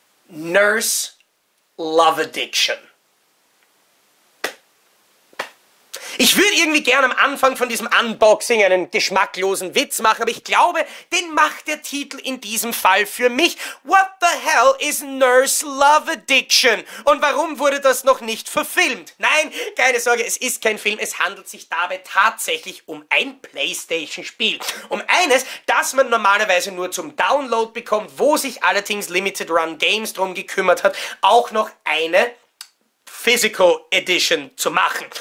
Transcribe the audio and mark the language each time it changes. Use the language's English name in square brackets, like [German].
[English] Nurse Love Addiction. [German] Ich würde irgendwie gerne am Anfang von diesem Unboxing einen geschmacklosen Witz machen, aber ich glaube, den macht der Titel in diesem Fall für mich. [English] What the hell is Nurse Love Addiction? [German] Und warum wurde das noch nicht verfilmt? Nein, keine Sorge, es ist kein Film. Es handelt sich dabei tatsächlich um ein PlayStation-Spiel. Um eines, das man normalerweise nur zum Download bekommt, wo sich allerdings Limited Run Games drum gekümmert hat, auch noch eine Physical Edition zu machen.